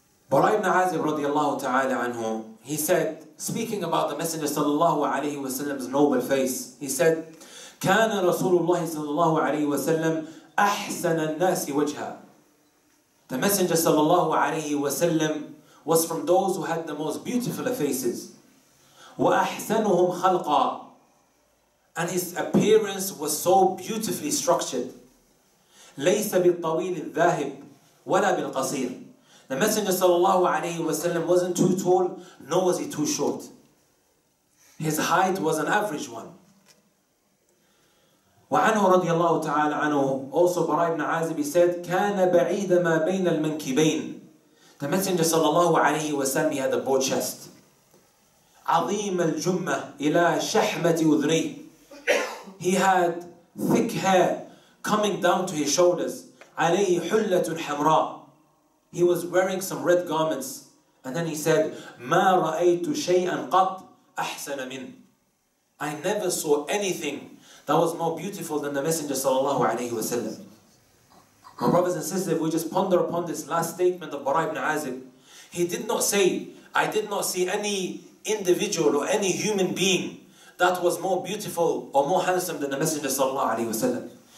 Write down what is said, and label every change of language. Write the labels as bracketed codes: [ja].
[en] Bara ibn Azib radiallahu ta'ala anhu, he said, speaking about the Messenger sallallahu alayhi wa sallam's noble face, he said, [ar] كَانَ رَسُولُ اللَّهِ [en] sallallahu alayhi wa sallam [ar] أَحْسَنَ النَّاسِ وَجْهَا. [en] The Messenger sallallahu alayhi wa sallam was from those who had the most beautiful of faces. [ar] وَأَحْسَنُهُمْ خَلْقًا. [en] And his appearance was so beautifully structured. [ar] ليس بالطويل الذاهب ولا بالقصير. [en] The messenger صلى الله عليه وسلم wasn't too tall nor was he too short. His height was an average one. [ar] وعنه رضي الله تعالى عنه [en] also [ar] براء بن عازب [en] said [ar] كان بعيد ما بين المنكبين. [en] The messenger صلى الله عليه وسلم had a broad chest. [ar] عظيم الجمة إلى شحمة أذنيه. [en] He had thick hair coming down to his shoulders. [ar] عليه حلة حمراء. [en] He was wearing some red garments. And then he said, [ar] ما رأيت شيئا قط أحسن من. [en] I never saw anything that was more beautiful than the messenger صلى الله عليه وسلم. My brothers and sisters, if we just ponder upon this last statement of Bara ibn Azib, he did not say, I did not see any individual or any human being that was more beautiful or more handsome than the messenger sallallahu alaihi wasallam.